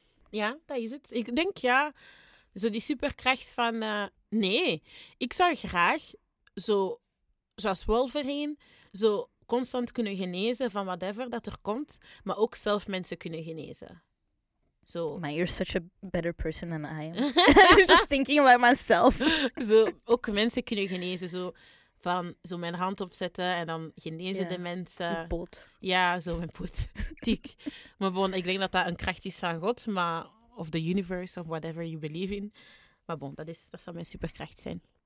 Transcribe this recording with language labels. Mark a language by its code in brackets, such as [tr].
[nl] Ja, dat is het. Ik denk, ja, zo die superkracht van... Nee, ik zou graag, zoals Wolverine, zo constant kunnen genezen van whatever dat er komt, maar ook zelf mensen kunnen genezen. [en] So. Man, you're such a better person than I am. Just thinking about myself. [nl] Zo, ook mensen kunnen genezen. Zo, van zo mijn hand opzetten en dan genezen de mensen. Mijn poot. Ja, zo mijn poot. Tiek. Maar bon, ik denk dat dat een kracht is van God, maar [en] of the universe of whatever you believe in. [nl] Maar bon, dat zou mijn superkracht zijn.